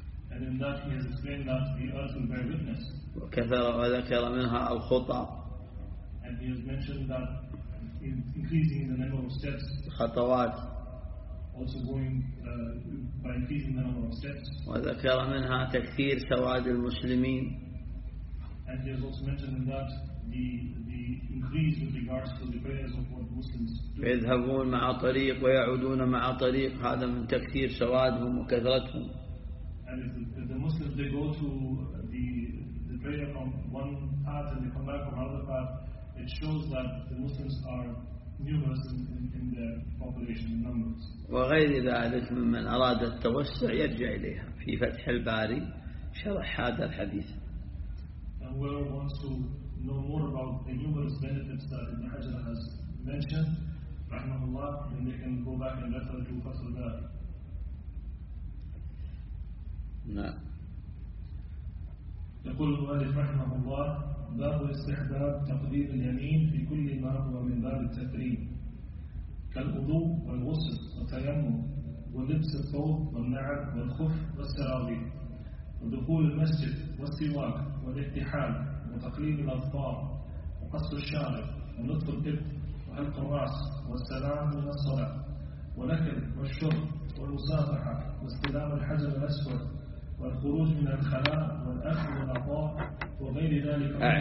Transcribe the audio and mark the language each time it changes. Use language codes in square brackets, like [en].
[en] And in that he has explained that the earth will bear witness. [ar] وكثر وذكر منها الخطى. [en] And he has mentioned that increasing the number of steps. [ar] خطوات. [en] Also going by increasing the number of steps. [ar] وذكر منها تكثير سواد المسلمين. [en] And he has also mentioned in that the increase with regards to the prayers of what Muslims do. [ar] يذهبون مع طريق ويعودون مع طريق، هذا من تكثير سوادهم وكثرتهم. [en] And if the Muslims, they go to the prayer from one path and they come back from another path, it shows that the Muslims are numerous in their population in numbers. [ar] وغير ذلك ممن أراد التوسع يرجع إليها في فتح الباري شرح هذا الحديث. [en] And whoever wants to know more about the numerous benefits that Ibn Hajar has mentioned, [ar] رحمه الله, [en] then they can go back and refer to Fath al-Bari. [ar] يقول المؤلف رحمه الله باب استحباب تقدير اليمين في كل ما هو من باب التكريم كالوضوء والغسل والتيمم ولبس الثوب والنعل والخف والسراويل ودخول المسجد والسواك والاحتحال وتقليم الأظفار وقص الشارب ونطق الإبط وحلق الرأس والسلام من الصلاة والأكل والشرب والمصافحة واستلام الحجر الأسود والخروج من الخلاء والأخذ والعطاء وغير ذلك.